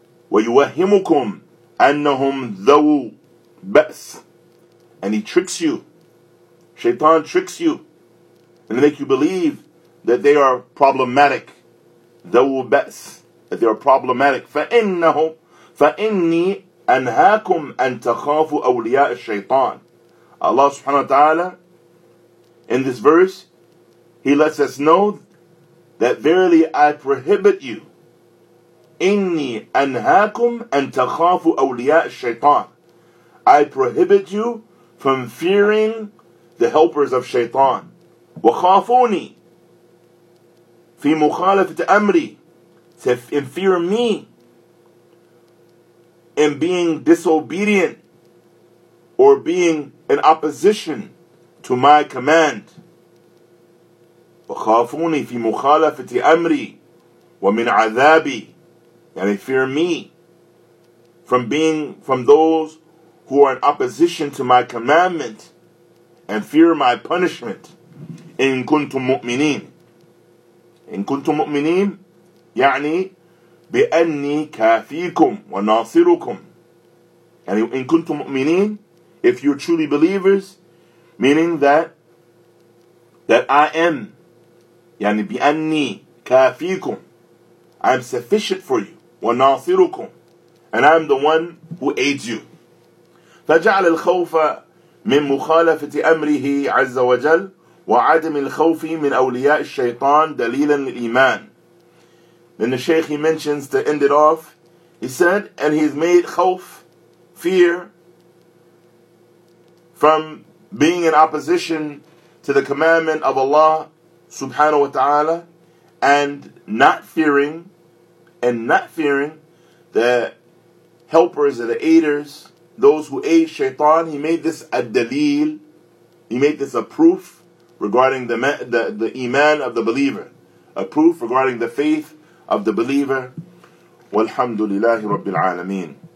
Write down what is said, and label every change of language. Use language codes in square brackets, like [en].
[ar] ويوهمكم أنهم ذو بأس, [en] and he tricks you. Shaitan tricks you and they make you believe that they are problematic. [ar] ذو بأس, [en] that they are problematic. [ar] فإني أنهاكم أن تخافوا أولياء الشيطان. [en] Allah subhanahu wa ta'ala, in this verse, he lets us know that verily I prohibit you. [ar] إني أنهاكم أن تخافوا أولياء الشيطان. [en] I prohibit you from fearing the helpers of shaitan. [ar] وخافوني في مخالفة أمري, [en] and fear me in being disobedient or being in opposition to my command. [ar] وخافوني في مخالفة أمري ومن عذابي, [en] and they fear me from being from those who are in opposition to my commandment, and fear my punishment. [ar] إن كنتم مؤمنين. إن كنتم مؤمنين يعني بأني كافيكم وناصركم. يعني إن كنتم مؤمنين, [en] if you're truly believers, meaning that I am, [ar] يعني بأني كافيكم, [en] I'm sufficient for you, [ar] وناصركم, [en] and I'm the one who aids you. [ar] فجعل الخوف من مخالفة أمره عز وجل وعدم الخوف من أولياء الشيطان دليلا للإيمان. [en] Then the Shaykh, he mentions to end it off, he said, and he's made khawf, fear, from being in opposition to the commandment of Allah subhanahu wa ta'ala and not fearing the helpers or the aiders, those who aid shaitan, he made this a dalil, he made this a proof regarding the iman of the believer, a proof regarding the faith of the believer. Walhamdulillahi rabbil alameen.